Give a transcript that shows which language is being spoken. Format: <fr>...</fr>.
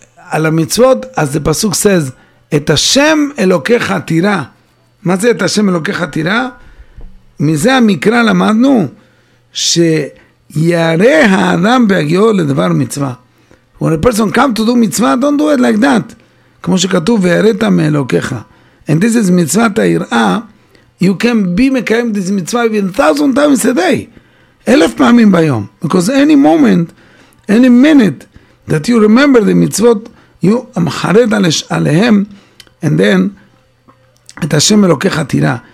<he>על המצוות, אז זה פסוק says, את השם אלוקיך תירא. מה זה את השם אלוקיך תירא? מזה המקרא למדנו, שירא האדם בהגיעו לדבר מצווה.</he> <en>When a person come to do מצווה, don't do it like that.</en> <he>כמו שכתוב, ויראת מאלוקיך.</he> <en>And this is מצוות היראה, you can be מקיים this מצווה even 1,000 times a day.</en> <he>1,000 פעמים ביום.</he> <en>Because any moment, any minute, that you remember the mitzvot, you</en> <he>amcharet aleihem,</he> <en>and then,</en> <he>et Hashem elokecha tira.</he>